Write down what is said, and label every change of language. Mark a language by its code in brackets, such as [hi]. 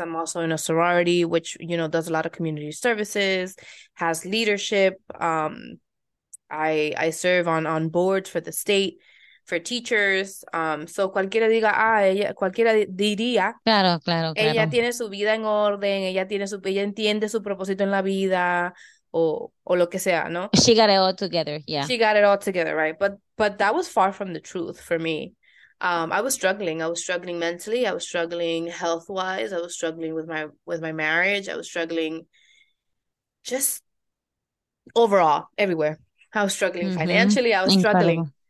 [en] I'm also in a sorority, which, does a lot of community services, has leadership. I serve on boards for the state for teachers. [es] So cualquiera diga, ah, ella, cualquiera diría, Claro, ella tiene su vida en orden, ella entiende su propósito en la vida, o lo que sea, ¿no? [en] she got it all together, She got it all together, right? But that was far from the truth for me. I was struggling. I was struggling mentally. I was struggling health-wise. I was struggling with my marriage. I was struggling just overall, everywhere. I was struggling financially. I was struggling,